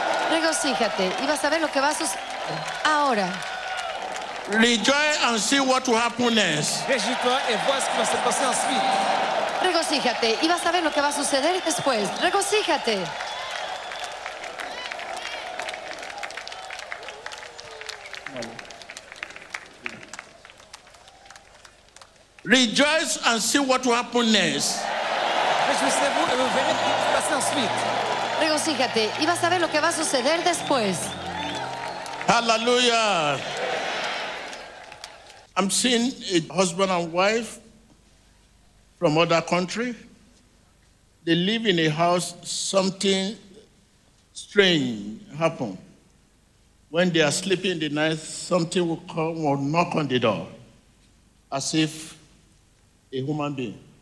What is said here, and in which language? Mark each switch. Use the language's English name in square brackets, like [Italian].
[Spanish] Regocíjate y vas a ver lo que va a suceder ahora. [English] Rejoice and see what will happen next. [French] Réjouis-toi et vois ce qui va se passer ensuite. [Spanish] Regocíjate y vas a ver lo que va a suceder después. Regocíjate. [English] Rejoice and see what will happen next. [French] Réjouissez-vous et vous verrez ce qui va se passer ensuite. [Spanish] Regocíjate y vas a ver lo que va a suceder después. [English] Hallelujah. I'm seeing a husband and wife from other country. They live in a house, something strange happened. When they are sleeping in the night, something will come or knock on the door, as if a human being.